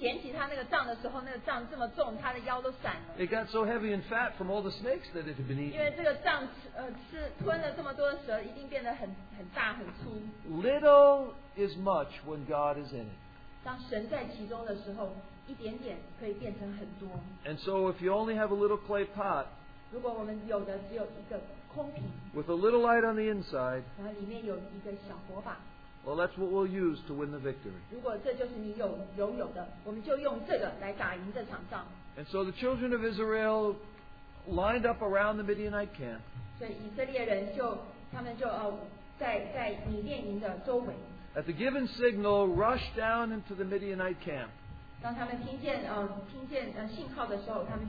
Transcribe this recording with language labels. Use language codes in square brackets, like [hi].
[zh] 我不晓得这圣经上没有记载，但是我想当摩西去捡起他那个杖的时候，那个杖这么重，他的腰都闪了。 [en] It got so heavy and fat from all the snakes that it had been eaten. [zh] 因为这个杖吞了这么多的蛇，一定变得很大很粗。 [en] Little is much when God is in it. [zh] 当神在其中的时候，一点点可以变成很多。 [en] And so if you only have a little clay pot, [zh] 如果我们有的只有一个。 [en] With a little light on the inside, [zh] 然后里面有一个小火把, [en] well, that's what we'll use to win the victory. [zh] 如果这就是你有的, [en] and so the children of Israel lined up around the Midianite camp. [zh] 所以以色列人就,他们就,在米甸营的周围, [en] at the given signal, rushed down into the Midianite camp. [zh] 当他们听见信号的时候,